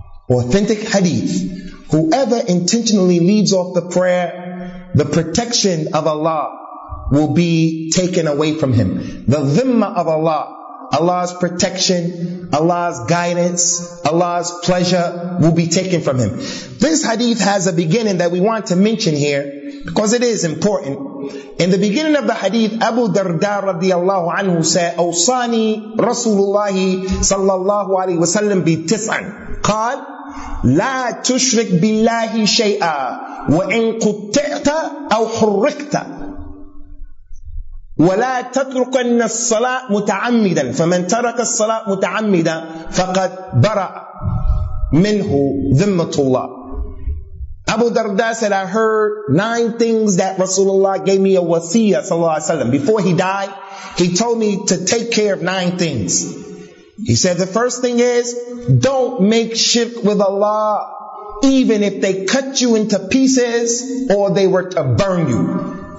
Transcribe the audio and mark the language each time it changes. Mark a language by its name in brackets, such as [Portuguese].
[English] Authentic hadith. Whoever intentionally leaves off the prayer, the protection of Allah will be taken away from him. The dhimma of Allah, Allah's protection, Allah's guidance, Allah's pleasure will be taken from him. This hadith has a beginning that we want to mention here because it is important. In the beginning of the hadith, Abu Darda radiallahu anhu said, [Arabic] أوصاني رسول الله صلى الله عليه وسلم بتسع قال لا تشرك بالله شيئا وإن قطعت أو حركت وَلَا تَتْرُكَنَّ الصَّلَاةَ مُتَعَمِّدًا فَمَنْ تَرَكَ الصَّلَاةَ مُتَعَمِّدًا فَقَدْ بَرَأَ مِنْهُ ذِمَّةُ اللَّهِ. [English] Abu Darda said, I heard 9 things that Rasulullah gave me a wasiyah, sallallahu alayhi wa sallam. Before he died, he told me to take care of 9 things. He said the first thing is, don't make shirk with Allah, even if they cut you into pieces or they were to burn you.